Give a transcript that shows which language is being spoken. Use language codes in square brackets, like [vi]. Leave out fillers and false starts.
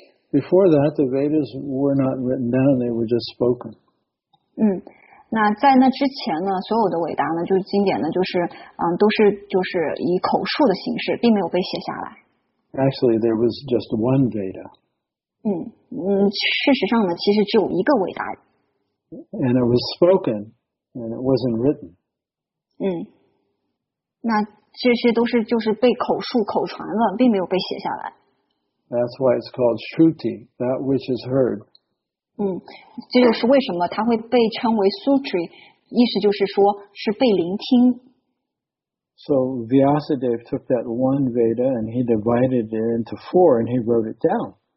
[en] Before that, the Vedas were not written down; they were just spoken. [zh] 那在那之前呢，所有的伟达呢，就是经典呢，就是都是就是以口述的形式，并没有被写下来。 [en] Actually, there was just one Veda. [zh] 事实上呢，其实只有一个伟达。 [en] And it was spoken, and it wasn't written. [zh] 那这些都是就是被口述口传了，并没有被写下来。 [en] That's why it's called Shruti, that which is heard. [zh] 这就是为什么它会被称为 Sutri, 意思就是说是被聆听。 [en] So Vyasadeva took that one Veda and he divided it into four and he wrote it down.